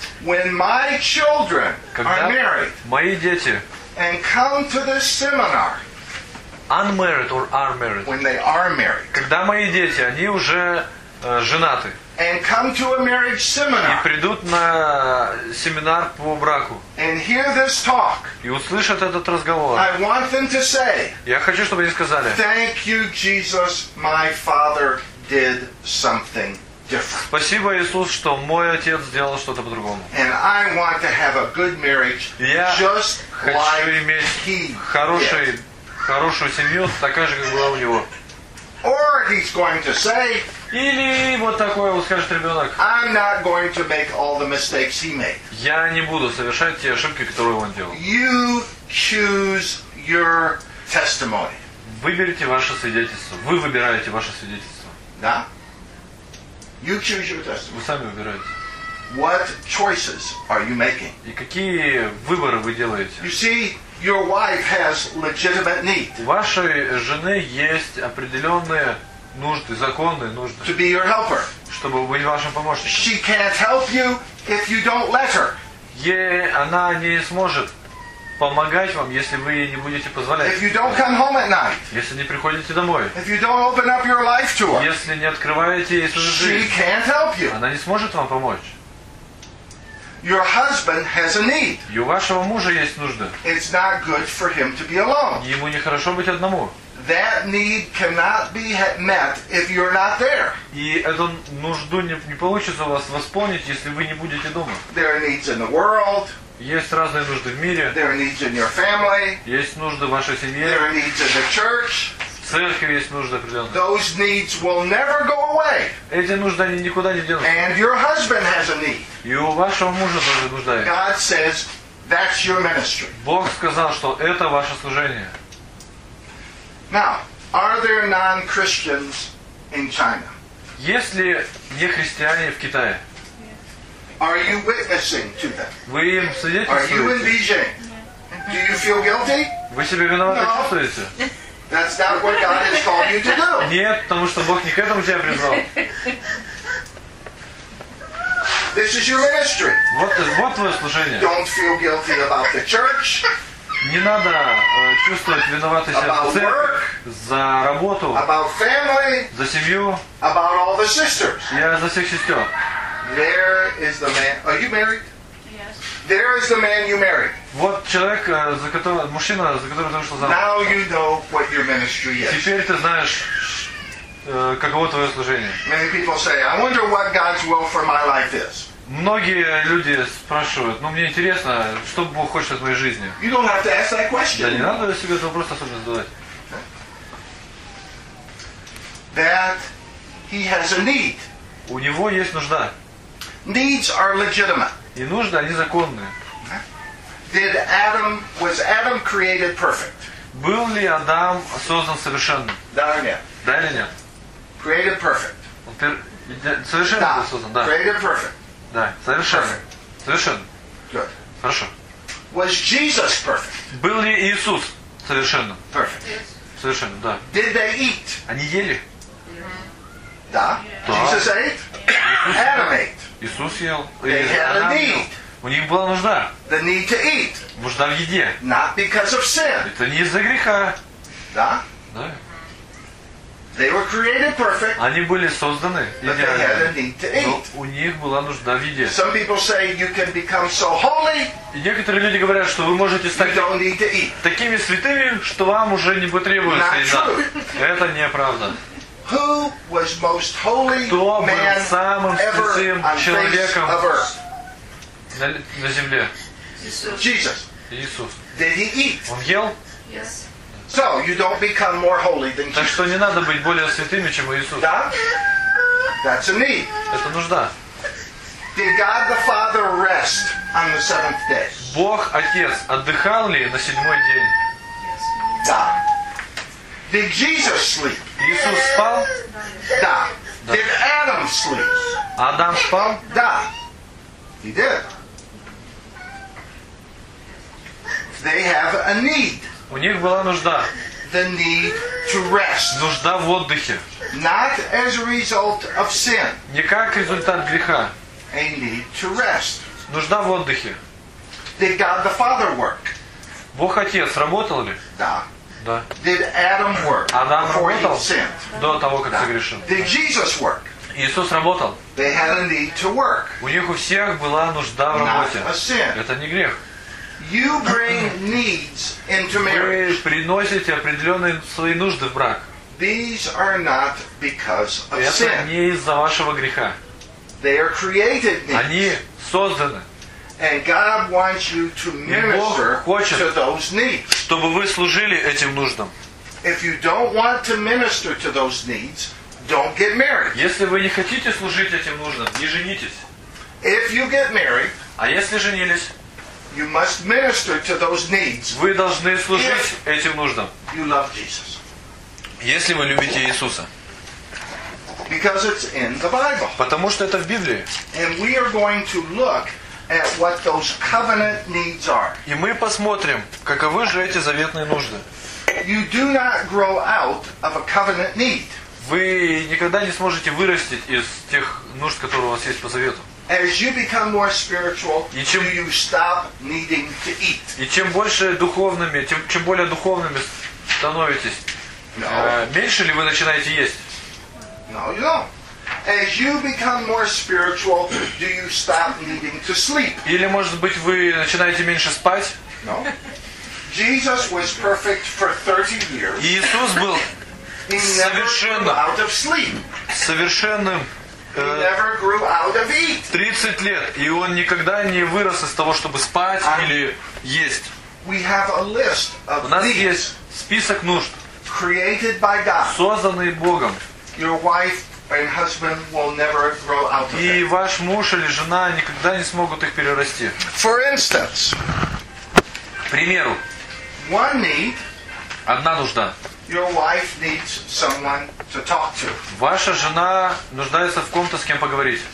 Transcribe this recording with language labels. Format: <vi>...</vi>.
<en>When my children are married,</en> <ru>мои дети,</ru> <en>and come to this seminar, unmarried or are married, when they are married,</en> <ru>когда мои дети, они уже женаты,</ru> <en>and come to a marriage seminar,</en> <ru>и придут на семинар по браку,</ru> <en>and hear this talk,</en> <ru>и услышат этот разговор,</ru> <en>I want them to say,</en> <ru>я хочу, чтобы они сказали,</ru> <en>thank you, Jesus, my Father did something.</en> <ru>Спасибо, Иисус, что мой отец сделал что-то по-другому.</ru> <en>And I want to have a good marriage,</en> <ru>я</ru> <en>just</en> <ru>хочу</ru> <en>like</en> <ru>иметь</ru> <en>he</en> <ru>хороший, хорошую семью, такая же, как была у него.</ru> <en>Or he's going to say,</en> <ru>или вот такое вот скажет ребенок.</ru> <en>I'm not going to make all the mistakes he made.</en> <ru>Я не буду совершать те ошибки, которые он делал.</ru> <en>You choose your testimony.</en> <ru>Выберите ваше свидетельство. Вы выбираете ваше свидетельство. Да?</ru> <en>You choose your testimony.</en> <ru>Вы сами выбираете.</ru> <en>What choices are you making?</en> <ru>И какие выборы вы делаете?</ru> <en>You see, your wife has legitimate need.</en> <ru>У вашей жены есть определенные нужды, законные нужды.</ru> <en>To be your helper.</en> <ru>Чтобы быть вашим помощником.</ru> <en>She can't help you if you don't let her.</en> <ru>Ей она не сможет помогать вам, если вы не будете позволять.</ru> <en>If you don't come home at night,</en> <ru>если не приходите домой.</ru> <en>If you don't open up your life to her,</en> <ru>если не открываете ей свою жизнь.</ru> <en>She can't help you.</en> <ru>Она не сможет вам помочь.</ru> <en>Your husband has a need.</en> <ru>И у вашего мужа есть нужда.</ru> <en>It's not good for him to be alone.</en> <ru>Ему нехорошо быть одному.</ru> <en>That need cannot be met if you're not there.</en> <ru>И эту нужду не получится у вас восполнить, если вы не будете дома.</ru> <en>There are needs in the world.</en> <ru>Есть разные нужды в мире.</ru> <en>There are needs in your family.</en> <ru>Есть нужды в вашей семье.</ru> <en>There are needs in the church.</en> <ru>В церкви есть нужды определенные.</ru> <en>Those needs will never go away.</en> <ru>Эти нужды они никуда не денутся.</ru> <en>And your husband has a need.</en> <ru>И у вашего мужа тоже нужда есть.</ru> <en>God says that's your ministry.</en> <ru>Бог сказал, что это ваше служение.</ru> <en>Now, are there non-Christians in China?</en> <ru>Есть ли нехристиане в Китае?</ru> <en>Are you witnessing to them?</en> <ru>Вы им свидетельствуете?</ru> <en>Are you in Beijing? Do you feel guilty?</en> <ru>Вы себя виноваты чувствуете?</ru> <en>That's not what God has called you to do.</en> <ru>Нет, потому что Бог не к этому тебя призвал.</ru> <en>This is your ministry.</en> <ru>Вот твое служение.</ru> <en>Don't feel guilty about the church.</en> <ru>Не надо чувствовать виноватый себя</ru> <en>about</en> <ru>церкви,</ru> <en>work,</en> <ru>за работу,</ru> <en>about family,</en> <ru>за семью,</ru> <en>about all the sisters.</en> <ru>Я за всех сестер.</ru> <en>There is the man. Are you married? Yes. There is the man you married.</en> <ru>Вот человек, за которого, мужчина, за которого ты вышла замуж.</ru> <en>Now you know what your ministry is.</en> <ru>Теперь ты знаешь, каково твое служение.</ru> <en>Many people say, I wonder what God's will for my life is.</en> <ru>Многие люди спрашивают, ну мне интересно, что Бог хочет от моей жизни.</ru> <en>You don't have to ask that question.</en> <ru>Да не надо себе этот вопрос особо задавать.</ru> <en>That he has a need.</en> <ru>У него есть нужда.</ru> <en>Needs are legitimate.</en> <ru>И нужды, они законные.</ru> <en>Did Adam, was Adam created perfect?</en> <ru>Был ли Адам создан совершенным? Да или нет? Да или нет?</ru> <en>Created perfect.</en> <ru>Совершенно был создан, да.</ru> <en>Created perfect.</en> <ru>Да, совершенно. Совершенно.</ru> <en>Good.</en> <ru>Хорошо.</ru> <en>Was Jesus perfect?</en> <ru>Был ли Иисус совершенным?</ru> <en>Perfect. Yes.</en> <ru>Совершенно, да.</ru> <en>Did they eat?</en> <ru>Они ели? Да.</ru> <en>Yeah. Jesus ate? Yeah. Adam ate.</en> <ru>Иисус ел.</ru> <en>They had a need.</en> <ru>У них была нужда.</ru> <en>The need to eat.</en> <ru>Нужда в еде.</ru> <en>Not because of sin.</en> <ru>Это не из-за греха. Да. Да.</ru> <en>They were created perfect.</en> <ru>Они были созданы идеально. Но у них была нужда в еде.</ru> <en>Some people say you can become so holy.</en> <ru>И некоторые люди говорят, что вы можете стать такими святыми, что вам уже не потребуется еда. Это неправда.</ru> <en>Who was most holy man</en> <ru>самым святым человеком на земле?</ru> <en>Jesus.</en> <ru>Иисус.</ru> <en>Did he eat?</en> <ru>Он ел?</ru> <en>Yes. So you don't become more holy than Jesus.</en> <ru>Так что не надо быть более святыми, чем Иисус. Да?</ru> <en>That's a need.</en> <ru>Это нужда.</ru> <en>Did God the Father rest on the seventh day?</en> <ru>Бог Отец отдыхал ли на седьмой день? Да.</ru> <en>Did Jesus sleep?</en> <ru>Иисус спал? Да.</ru> <en>Did Adam sleep?</en> <ru>Адам спал? Да.</ru> <en>He did. They have a need.</en> <ru>У них была нужда.</ru> <en>The need to rest.</en> <ru>Нужда в отдыхе.</ru> <en>Not as a result of sin.</en> <ru>Не как результат греха.</ru> <en>A need to rest.</en> <ru>Нужна в отдыхе.</ru> <en>Did God the Father work?</en> <ru>Бог Отец работал ли? Да. Да.</ru> <en>Did Adam work?</en> <ru>Адам работал до того, как согрешил.</ru> <en>Did Jesus work?</en> <ru>Иисус работал.</ru> <en>They had a need to work.</en> <ru>У них у всех была нужда в работе. Это не грех.</ru> <en>You bring needs into marriage.</en> <ru>Вы приносите определенные свои нужды в брак.</ru> <en>These are not because of</en> <ru>Это</ru> <en>sin.</en> <ru>Не из-за вашего греха.</ru> <en>They are created needs.</en> <ru>Они созданы.</ru> <en>And God wants you to minister</en> <ru>хочет,</ru> <en>to those needs.</en> <ru>Чтобы вы служили этим нуждам.</ru> <en>If you don't want to minister to those needs, don't get married.</en> <ru>Если вы не хотите служить этим нуждам, не женитесь.</ru> <en>If you get married,</en> <ru>а если женились,</ru> <en>you must minister to those needs.</en> <ru>Вы должны служить этим нуждам.</ru> <en>You love Jesus.</en> <ru>Если вы любите Иисуса.</ru> <en>Because it's in the Bible.</en> <ru>Потому что это в Библии.</ru> <en>And we are going to look at what those covenant needs are.</en> <ru>И мы посмотрим, каковы же эти заветные нужды.</ru> <en>You do not grow out of a covenant need.</en> <ru>Вы никогда не сможете вырасти из тех нужд, которые у вас есть по завету.</ru> <en>As you become more spiritual, you stop needing to eat.</en> <ru>И чем больше духовными, чем более духовными становитесь, меньше ли вы начинаете есть?</ru> <en>No, you don't. As you become more spiritual, do you stop needing to sleep?</en> <ru>Или, может быть, вы начинаете меньше спать?</ru> <en>No. Jesus was perfect for 30 years.</en> <ru>Иисус был совершенно</ru> <en>out of sleep.</en> <ru>Совершенным.</ru> <en>He never grew out of eat.</en> <ru>30 лет, и он никогда не вырос из того, чтобы спать или есть.</ru> <en>We have a list of</en> <ru>У нас есть список нужд,</ru> <en>created by God.</en> <ru>Созданные Богом.</ru> <en>Your wife and husband will never grow out of</en> <ru>и ваш муж или жена никогда не смогут их перерасти.</ru> <en>For instance,</en> <ru>к примеру,</ru> <en>one need,</en> <ru>одна нужда.</ru> <en>Your wife needs someone to talk to.</en> <ru>Ваша жена нуждается в ком-то, с кем поговорить.</ru>